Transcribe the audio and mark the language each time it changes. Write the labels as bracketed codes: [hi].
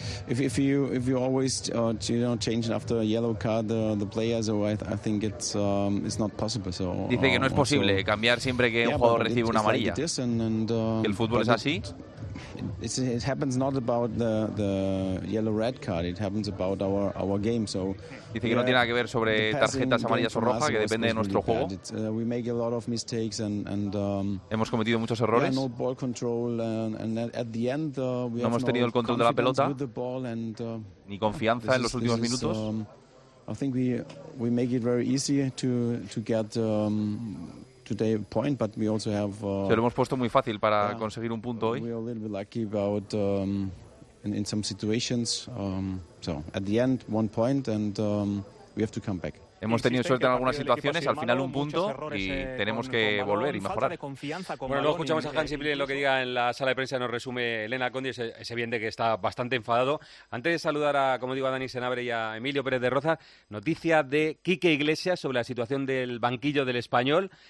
[en] If you always change after a yellow card the player, so I think it's not possible. So [es] dice que no es posible cambiar siempre que un jugador recibe una amarilla. El fútbol es así. [en] It happens not about the yellow red card. It happens about our game. So [es] dice que no tiene nada que ver sobre tarjetas amarillas o rojas, que depende de nuestro juego. [en] We make a lot of mistakes and [es] hemos cometido muchos errores. [en] No ball control and at the end we [es] hemos tenido el control de la pelota ni confianza en los últimos minutos. [en] I think we make it very easy to get today a point, but we also have [es] se lo hemos puesto muy fácil para conseguir un punto hoy. [en] We are a little bit lucky about in some situations so at the end one point and we have to come back. [es] Hemos tenido suerte en algunas situaciones, al final un punto y tenemos que volver y mejorar. Bueno, luego escuchamos a Hansi Flick, lo que diga en la sala de prensa nos resume Elena Condi, es evidente que está bastante enfadado. Antes de saludar a, como digo, a Dani Senabre y a Emilio Pérez de Rozas, noticia de Quique Iglesias sobre la situación del banquillo del Español.